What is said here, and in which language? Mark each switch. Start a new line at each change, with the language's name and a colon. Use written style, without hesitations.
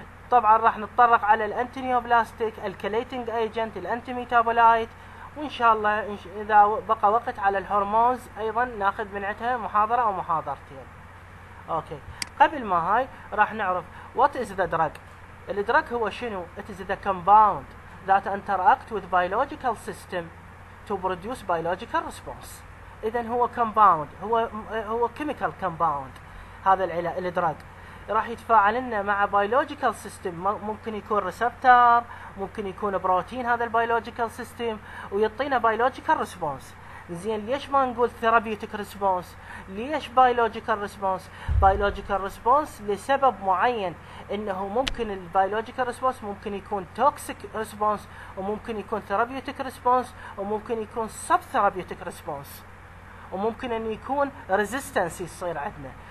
Arabic: طبعا راح نتطرق على الانتينيوبلاستيك، الكليتنج ايجنت، الانتي ميتابولايت، وان شاء الله اذا بقى وقت على الهرمونز ايضا ناخذ من عندها محاضره او محاضرتين. اوكي، قبل ما هاي راح نعرف
English: What is the drug.
Arabic: الدراج هو شنو؟
English: It is the compound that interact with biological system to produce biological response.
Arabic: إذن هو compound، هو chemical compound. هذا العلاج الدراج راح يتفاعل لنا مع biological system، ممكن يكون receptor، ممكن يكون بروتين هذا biological system، ويعطينا biological response. زين ليش ما نقول therapeutic response؟ ليش biological response؟ biological response لسبب معين، انه ممكن biological response ممكن يكون toxic response، وممكن يكون therapeutic response، وممكن يكون sub-therapeutic response، وممكن ان يكون resistance يصير عندنا.